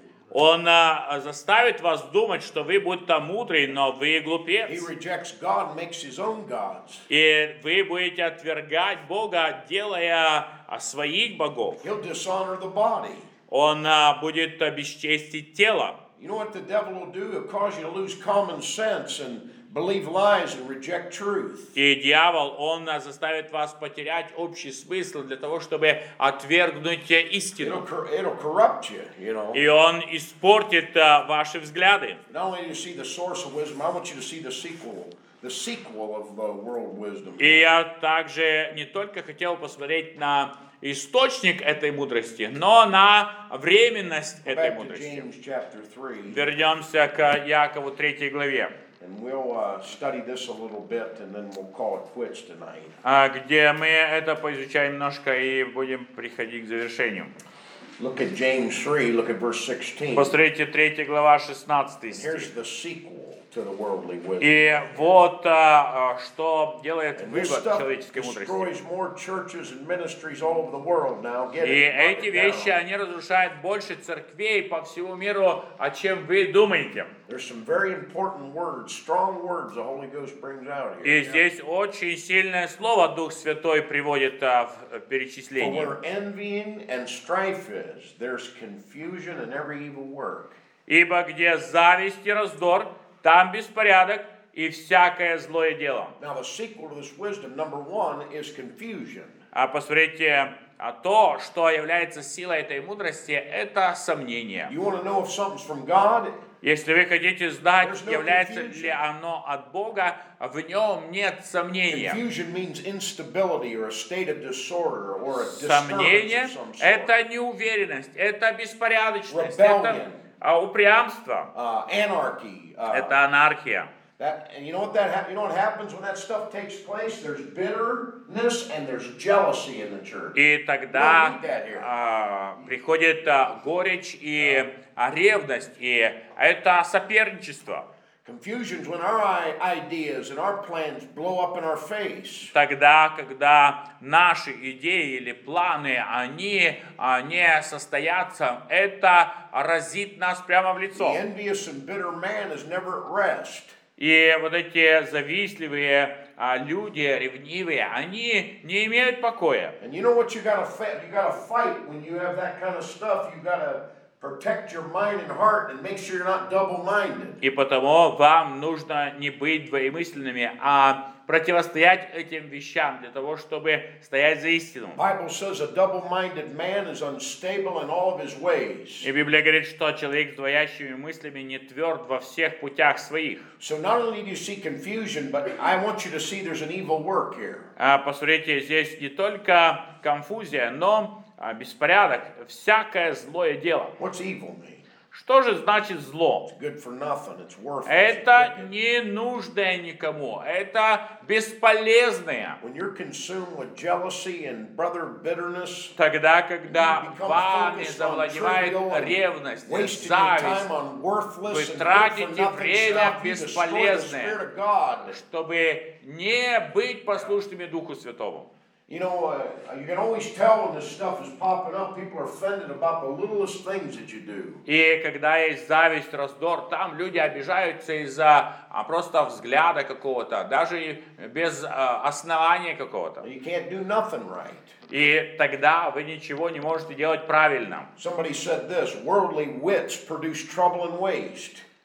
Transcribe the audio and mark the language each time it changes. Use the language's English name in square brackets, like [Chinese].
[Russian] Он заставит вас думать, что вы будто мудрый, но вы глупец. [English] God, makes his own gods. [Russian] И вы будете отвергать Бога, делая своих богов. [English] He'll dishonor the body. [Russian] Он будет бесчестить тело. [English] You know what the devil will do? He'll cause you to lose common sense and believe lies and reject truth. [Russian] И дьявол, он заставит вас потерять общий смысл для того, чтобы отвергнуть истину. [English] It'll corrupt you, you know. [Russian] И он испортит ваши взгляды. [English] Not only do you see the source of wisdom, I want you to see the sequel. The sequel of the world wisdom. [Russian] И я также не только хотел посмотреть на источник этой мудрости, но на временность этой мудрости. [English] James, chapter 3. [Russian] Вернемся к Якову 3 главе. [English] And we'll study this a little bit, and then we'll call it quits tonight. [Russian] Где мы это поизучаем немножко и будем приходить к завершению. [English] Look at James 3. Look at verse 16. [Russian] Посмотрите 3 глава 16 стих. [English] Here's the sequel to the worldly wisdom. [Russian] И вот что делает вывод человеческой мудрости. [English] And this stuff destroys more churches and ministries all over the world now. [Russian] И эти вещи они разрушают больше церквей по всему миру, о чем вы думаете? [English] There's some very important words, strong words the Holy Ghost brings out here. [Russian] И здесь очень сильное слово Дух Святой приводит в перечисление. [English] For where envying and strife is, there's confusion and every evil work. [Russian] Ибо где зависть и раздор, там беспорядок и всякое злое дело. [English] Now the sequel to this wisdom, number one, is confusion. [Russian] А посмотрите, а то, что является силой этой мудрости, это сомнение. [English] You want to know if something's from God? [Russian] Если вы хотите знать, является ли оно от Бога, в нем нет сомнения. [English] Confusion means instability or a state of disorder or a disturbance. [Russian] Сомнение – это неуверенность, это беспорядочность, это упрямство. [English] Anarchy. [Russian] Это анархия. [English] That, and you know what that you know what happens when that stuff takes place? There's bitterness and there's jealousy in the church. [Russian] И тогда приходит горечь и ревность, и это соперничество. [English] Confusion's when our ideas and our plans blow up in our face. [Russian] Тогда, когда наши идеи или планы, они не состоятся, это разит нас прямо в лицо. [English] The envious and bitter man is never at rest. [Russian] И вот эти завистливые люди, ревнивые, они не имеют покоя. [English] And you know what you gotta fight when you have that kind of stuff. You gotta protect your mind and heart and make sure you're not double-minded. [Russian] И потому вам нужно не быть двоемысленными, а противостоять этим вещам для того, чтобы стоять за истину. [English] Bible says a double-minded man is unstable in all of his ways. [Russian] И Библия говорит, что человек с двоящими мыслями не тверд во всех путях своих. [English] So not only do you see confusion, but I want you to see there's an evil work here. [Russian] Посмотрите, здесь не только конфузия, но беспорядок, всякое злое дело. [English] What's evil mean? [Russian] Что же значит зло? [English] It's good for nothing. It's worthless. [Russian] Это ненужное никому. Это бесполезное. [English] When you're consumed with jealousy and brother bitterness, [Russian] тогда, когда вами завладевает ревность, зависть, вы тратите время бесполезное, чтобы не быть послушными Духу Святому. [English] You know, you can always tell when this stuff is popping up. People are offended about the littlest things that you do. [Russian] И когда есть зависть, раздор, там люди обижаются из-за просто взгляда какого-то, даже без основания какого-то. [English] You can't do nothing right. [Russian] И тогда вы ничего не можете делать правильно. [English] Somebody said this: worldly wits produce trouble and waste.